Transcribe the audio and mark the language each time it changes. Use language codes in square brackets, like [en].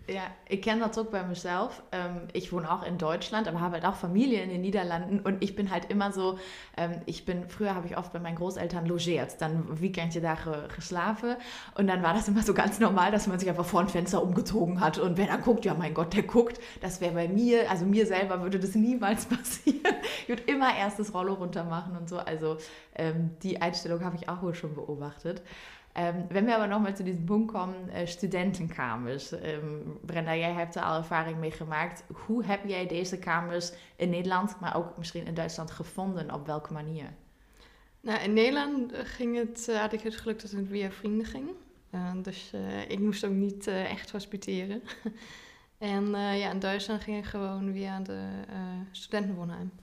[nl] Ja, ik ken dat ook bij mezelf. Ik woon ook in Duitsland, maar heb halt ook familie in de Nederlanden. En ik ben halt immer zo... Vroeger heb ik oft bij mijn grootouders logeerd. Dan weekendje daar geslapen. En dan was dat immer zo ganz normaal, dat man zich einfach voor een venster omgezogen had. [de] En wer dan guckt, ja mein Gott, der guckt. Dat wäre bij mij, also mir selber würde das niemals passieren. Ich würde immer erst das Rollo runtermachen und so. Also die Einstellung habe ich auch wohl schon beobachtet. Wenn wir aber nochmal zu diesem Punkt kommen, Studentenkamers. [nl] Brenda, jij hebt er al ervaring mee gemaakt. Hoe heb jij deze kamers in Nederland, maar ook misschien in Duitsland gevonden? Op welke manier? Nou, in Nederland ging het, had ik het geluk dat het via vrienden ging. Ik moest ook niet echt hospiteren. In Duitsland ging ik gewoon via de studentenwoonheim.